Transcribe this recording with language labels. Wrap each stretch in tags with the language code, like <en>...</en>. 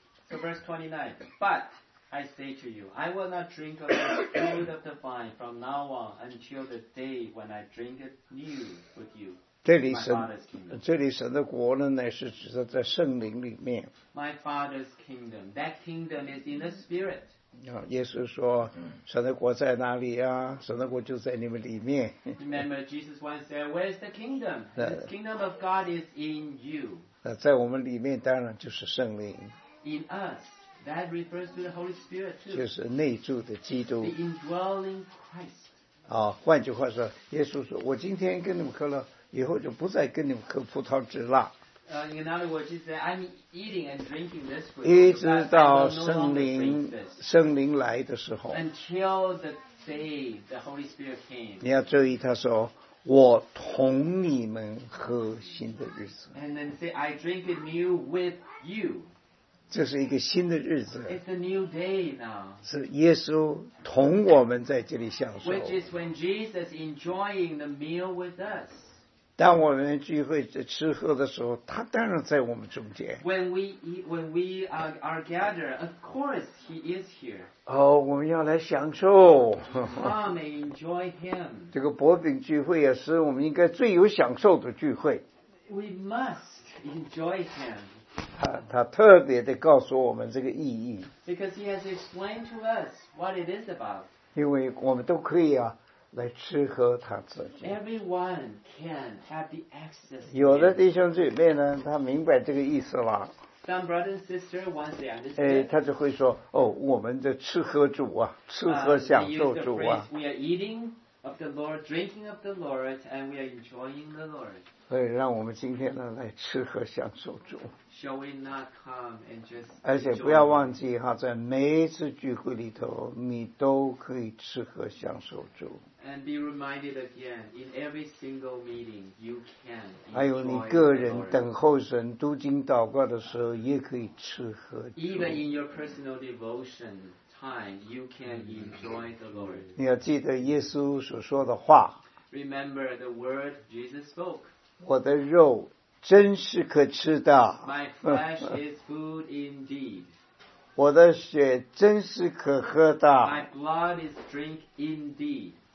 <en>So verse 29 But I say to you, I will not drink of the fruit of the vine from now on until the day when I drink it new with you.</en> <zh>这里神的国呢，乃是指的在圣灵里面。</zh> <en>My Father's kingdom, that kingdom is in the Spirit.</en> <zh>耶稣说，神的国在哪里啊？神的国就在你们里面。</zh> <en>Remember, Jesus once said, "Where's the kingdom? The kingdom of God is in you."</en> <zh>在我们里面当然就是圣灵。</zh> <en>In us. That refers to the Holy Spirit too.</en> <zh>就是内住的基督。</zh> <en>The indwelling Christ.</en> <zh>换句话说，耶稣说，我今天跟你们喝了，以后就不再跟你们喝葡萄汁了。</zh> <en>In other words, he said, I'm eating and drinking this fruit.</en> <zh>一直到圣灵来的时候。</zh> <en>Until the day the Holy Spirit came.</en> <zh>你要注意，他说，我同你们喝新的日子。</zh> <en>And then say, I drink it new with you.</en> <zh>这是一个新的日子</zh> <en>It's a new day now.</en> <zh>是耶稣同我们在这里享受</zh> <en>Which is when Jesus enjoying the meal with us.</en> <zh>当我们聚会吃喝的时候他当然在我们中间</zh> <en>When we are gathered, of course he is here.</en> <zh>我们要来享受</zh> <en>Come and enjoy him.</en> <zh>这个薄饼聚会也是我们应该最有享受的聚会</zh> <en>We must enjoy him.</en> <zh>他特别地告诉我们这个意义</zh> <en>Because he has explained to us what it is about.</en> <zh>因为我们都可以啊来吃喝他自己</zh> <en>Everyone can have the access.</en> <zh>有的弟兄姐妹呢他明白这个意思了</zh> <en>Some brothers and sisters once they understand.</en> <zh>他就会说哦我们的吃喝主啊吃喝享受主啊</zh> <en>We use the phrase, we are eating of the Lord, drinking of the Lord, and we are enjoying the Lord.</en> <zh>所以让我们今天呢来吃喝享受主。</zh> <en>Shall we not come and just enjoy?</en> <zh>而且不要忘记哈，在每一次聚会里头，你都可以吃喝享受主。</zh> <en>And be reminded again, in every single meeting, you can enjoy the Lord.</en> <zh>还有你个人等候神、读经、祷告的时候，也可以吃喝主。</zh> <en>Even in your personal devotion time, you can enjoy the Lord.</en> <zh>你要记得耶稣所说的话。</zh> <en>Remember the word Jesus spoke.</en> <zh>我的肉真是可吃的。</zh> <en>My flesh is food indeed.</en> <zh>我的血真是可喝的。</zh> <en>My blood is drink indeed.</en>